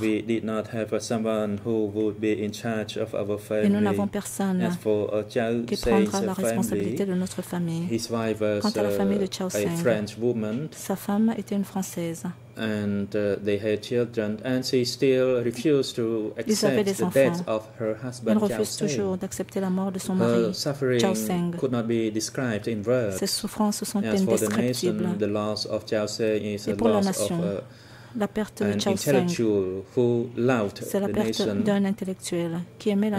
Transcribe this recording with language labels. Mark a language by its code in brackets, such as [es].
[en] And we did not have someone who would be in charge of our family. [fr] Et nous n'avons personne qui prendra la responsabilité de notre famille. [en] His wife was, [fr] quant à la famille de Chau Seng, [en] a French woman. [fr] Sa femme était une Française. [en] and they had children, and she still refused to accept the death of her husband, Chao Seng. [fr] Elle refuse toujours d'accepter la mort de son [en] mari, Chao Seng. Could not be described in words. [fr] Ses souffrances sont indescriptibles. [en] The loss of Chao Seng is a loss of [fr] la perte de Chao Seng. [en] Who loved the nation. [fr] C'est la perte d'un intellectuel qui aimait la